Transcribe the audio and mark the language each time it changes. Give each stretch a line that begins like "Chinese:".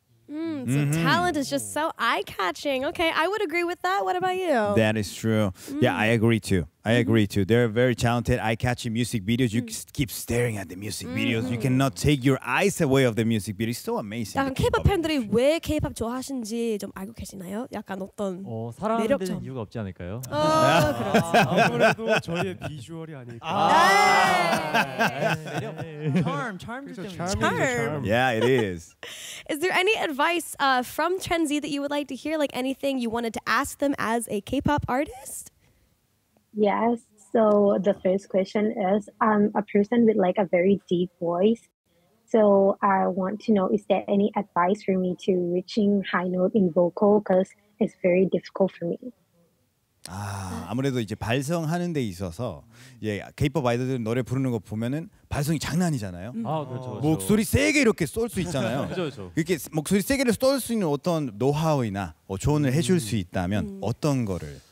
English: Talent is just so eye-catching. Okay, I would agree with that. What about you? That is true. Mm. Yeah, I agree too. They're very talented, eye-catching music videos. You keep staring at the music videos. You cannot take your eyes away of the music video. It's so amazing.
Korean: 약간 K-pop 팬들이 왜 K-pop 좋아하시는지 좀 알고 계시나요? 약간 어떤 사랑하는 이유가 없지 않을까요? 아무래도 저희의 비주얼이 아닐까.
English: Charm. Yeah, it is. Is there any advice from TRENDZ that you would like to hear? Like anything you wanted to ask them as a K-pop artist? Yes. So the first question is, I'm a person with like a very deep voice. So I want to know, is there any advice for me to reaching high note in vocal? Because it's very difficult for me.
Korean: 아, 아무래도 이제 발성하는 데 있어서 이제 K-POP 아이돌들 노래 부르는 거 보면은 발성이 장난이잖아요. 아, 그렇죠. 목소리 그렇죠. 세게 이렇게 쏠 수 있잖아요. 그렇죠. 이렇게 목소리 세게 쏠 수 있는 어떤 노하우이나 조언을 해 줄 수 있다면 어떤 거를